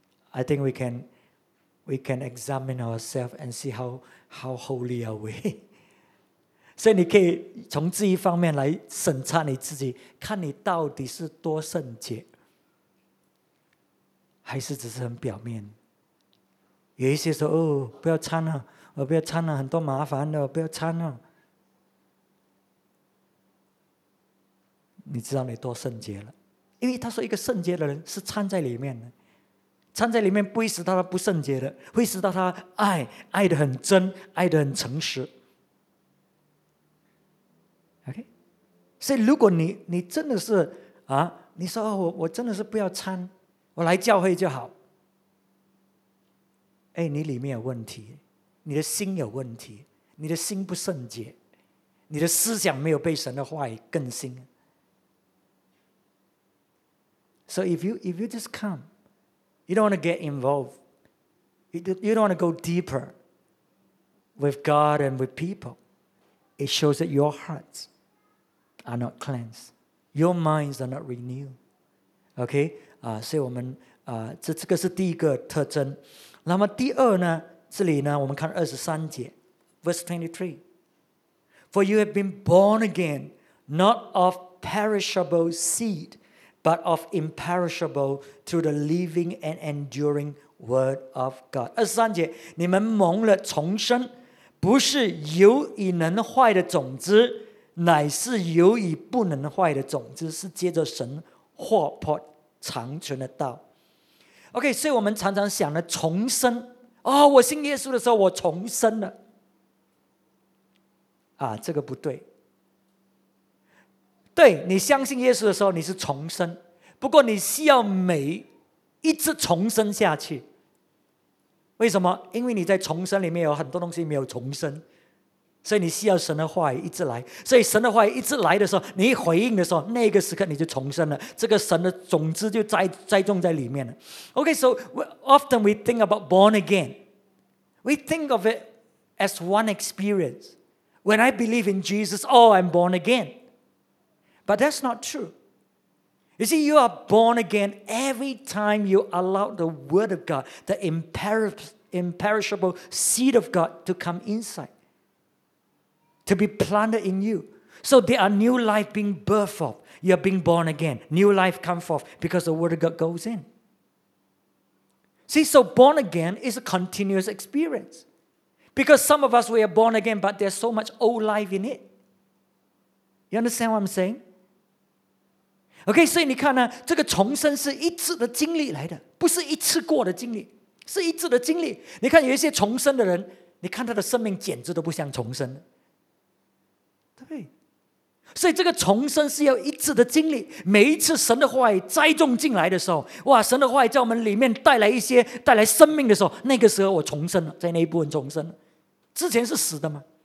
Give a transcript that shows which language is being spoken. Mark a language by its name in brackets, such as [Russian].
[English] I think we can examine ourselves and see how holy are we. [Chinese] 所以你可以从这一方面来审查你自己，看你到底是多圣洁，还是只是很表面。有一些说，哦，不要掺了，我不要掺了，很多麻烦的，我不要掺了。你知道你多圣洁了，因为他说一个圣洁的人是掺在里面的，掺在里面不会使他不圣洁的，会使他爱得很真，爱得很诚实。 OK， 所以如果你真的是啊，你说、哦、我真的是不要掺，我来教会就好。哎，你里面有问题，你的心有问题，你的心不圣洁，你的思想没有被神的话语更新。 So if you just come, you don't want to get involved. You don't want to go deeper with God and with people. It shows that your hearts are not cleansed. Your minds are not renewed. Okay? 所以我们这个是第一个特征。那么第二呢，这里呢，我们看23节 ， [English] verse 23. For you have been born again, not of perishable seed. But of imperishable through the living and enduring word of God. [Chinese] 23节，你们蒙了重生，不是由已能坏的种子，乃是由已不能坏的种子，是借着神活泼长存的道。 OK， 所以我们常常想的重生，哦，我信耶稣的时候我重生了，这个不对。对，你相信耶稣的时候你是重生，不过你需要每一次重生下去。为什么？因为你在重生里面有很多东西没有重生，所以你需要神的话语一直来，所以神的话语一直来的时候，你一回应的时候，那个时刻你就重生了，这个神的种子就栽种在里面了。 [English] Okay, so often we think about born again. We think of it as one experience. When I believe in Jesus, oh, I'm born again. But that's not true. You see, you are born again every time you allow the word of God, the imperishable seed of God to come inside, to be planted in you. So there are new life being birthed of. You are being born again. New life come forth because the word of God goes in. See, so born again is a continuous experience. Because some of us, we are born again, but there's so much old life in it. You understand what I'm saying? [Chinese] Okay, 所以你看呢，这个重生是一次的经历来的，不是一次过的经历，是一次的经历。你看有一些重生的人，你看他的生命简直都不像重生的，对。所以这个重生是要一次的经历，每一次神的话语栽种进来的时候，哇，神的话语在我们里面带来一些，带来生命的时候，那个时候我重生了，在那一部分重生了，之前是死的吗？